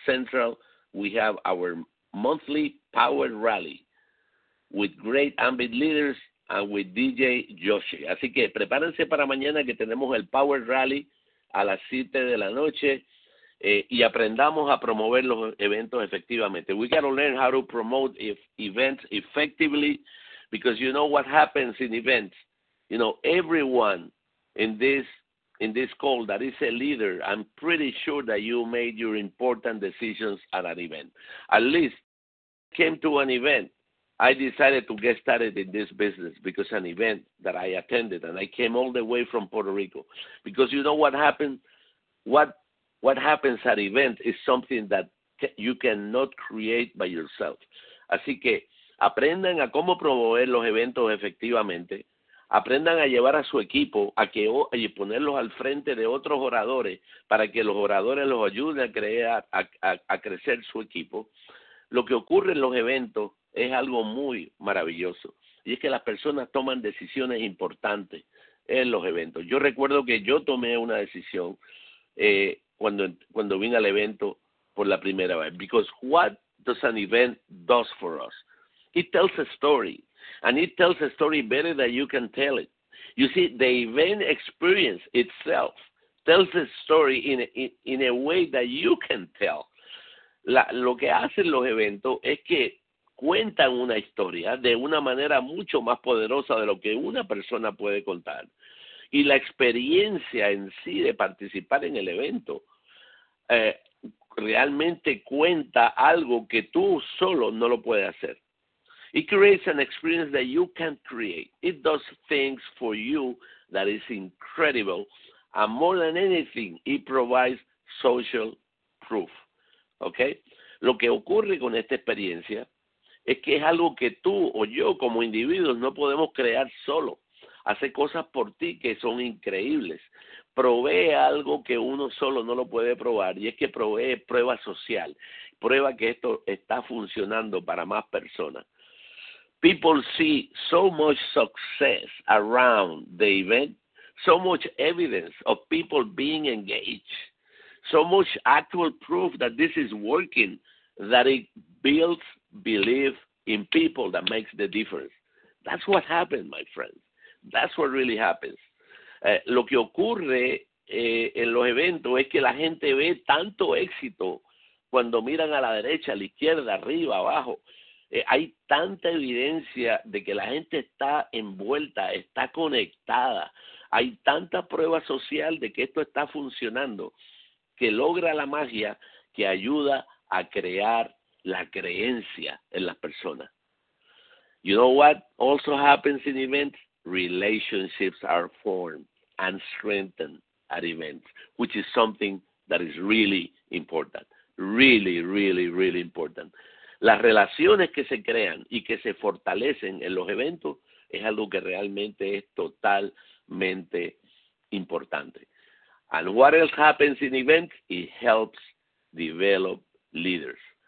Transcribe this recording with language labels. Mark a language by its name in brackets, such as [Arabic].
[English] Central, we have our monthly power rally with great Ambit leaders and with DJ Yoshi. [Spanish] Así que prepárense para mañana que tenemos el power rally a las 7 de la noche. y aprendamos a promover los eventos efectivamente. [English] We got to learn how to promote events effectively, because you know what happens in events. You know, everyone in this call that is a leader, I'm pretty sure that you made your important decisions at an event. At least came to an event. I decided to get started in this business because an event that I attended, and I came all the way from Puerto Rico. Because you know what happened? What happens at event is something that you cannot create by yourself. [Spanish] Así que aprendan a cómo promover los eventos efectivamente. Aprendan a llevar a su equipo y ponerlos al frente de otros oradores para que los oradores los ayuden a crecer su equipo. Lo que ocurre en los eventos es algo muy maravilloso, y es que las personas toman decisiones importantes en los eventos. Yo recuerdo que yo tomé una decisión cuando vine al evento por la primera vez. [English] Because what does an event do for us? It tells a story. And it tells a story better than you can tell it. You see, the event experience itself tells a story in a way that you can tell. [Spanish] Lo que hacen los eventos es que cuentan una historia de una manera mucho más poderosa de lo que una persona puede contar. Y la experiencia en sí de participar en el evento realmente cuenta algo que tú solo no lo puedes hacer. [English] It creates an experience that you can't create. It does things for you that is incredible. And more than anything, it provides social proof. Okay? [Spanish] Lo que ocurre con esta experiencia es que es algo que tú o yo como individuos no podemos crear solo. Hace cosas por ti que son increíbles. Provee algo que uno solo no lo puede probar, y es que provee prueba social. Prueba que esto está funcionando para más personas. [English] People see so much success around the event, so much evidence of people being engaged, so much actual proof that this is working, that it builds belief in people that makes the difference. That's what happened, my friends. That's what really happens. [Spanish] Lo que ocurre en los eventos es que la gente ve tanto éxito cuando miran a la derecha, a la izquierda, arriba, abajo. Hay tanta evidencia de que la gente está envuelta, está conectada. Hay tanta prueba social de que esto está funcionando, que logra la magia que ayuda a crear la creencia en las personas. [English] You know what also happens in events? Relationships are formed and strengthened at events, which is something that is really important. Really, really, really important. [Spanish] Las relaciones que se crean y que se fortalecen en los eventos es algo que realmente es totalmente importante. [English] And what else happens in events? It helps develop leaders.